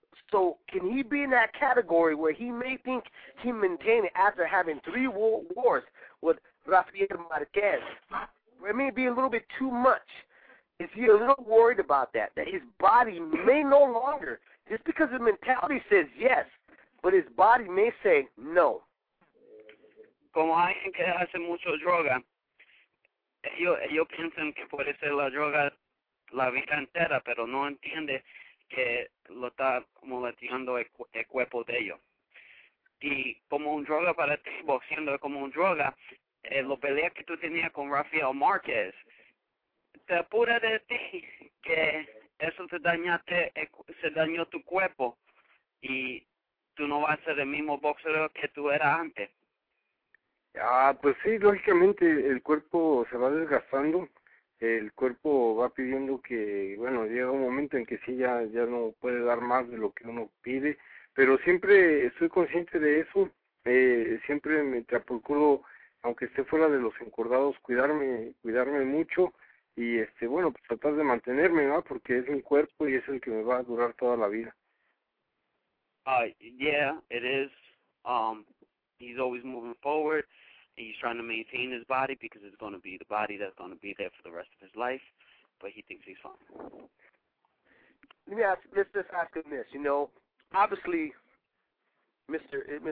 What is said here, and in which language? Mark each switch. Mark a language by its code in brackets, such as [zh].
[en] So can he be in that category where he may think he maintained it after having three wars with Rafael Marquez? It may be a little bit too much. Is he a little worried about that, that his body may no longer, just because his mentality says yes, but his body may say no? [es] Como alguien que hace mucho droga, ellos piensan que puede ser la droga la vida entera, pero no entiende que lo está molestando el cuerpo de ellos. Y como un droga para ti, boxeando como un droga, la pelea que tú tenías con Rafael Márquez, te apura de ti que eso te dañaste, se dañó tu cuerpo y tú no vas a ser el mismo boxeador que tú eras antes. Ah, pues sí, lógicamente el cuerpo se va desgastando, el cuerpo va pidiendo que, bueno, llega un momento en que sí ya no puede dar más de lo que uno pide, pero siempre estoy consciente de eso, siempre me procuro, aunque esté fuera de los encordados, cuidarme mucho y bueno, pues tratar de mantenerme, ¿no? Porque es mi cuerpo y es el que me va a durar toda la vida. [en] Yeah, it is. He's always moving forward, and he's trying to maintain his body because it's going to be the body that's going to be there for the rest of his life, but he thinks he's fine. Let's just ask him this. You know, obviously, Mr.